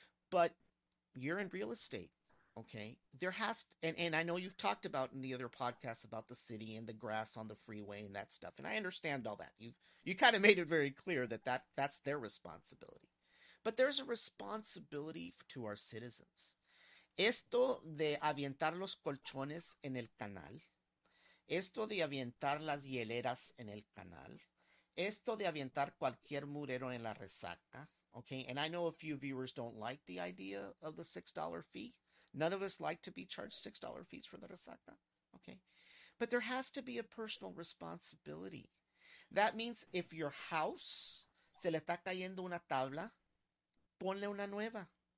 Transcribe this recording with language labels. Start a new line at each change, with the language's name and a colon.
English: But you're in real estate. Okay, there has to, and I know you've talked about in the other podcasts about the city and the grass on the freeway and that stuff, and I understand all that. You kind of made it very clear that that's their responsibility. But there's a responsibility to our citizens.
Spanish: Esto de avientar los colchones en el canal, esto de avientar las hieleras en el canal, esto de avientar cualquier murero en la resaca, okay?
English: And I know a few viewers don't like the idea of the $6 fee. None of us like to be charged $6 fees for the resaca, okay? But there has to be a personal responsibility. That means if your house
Spanish: se le está cayendo una tabla, ponle una nueva.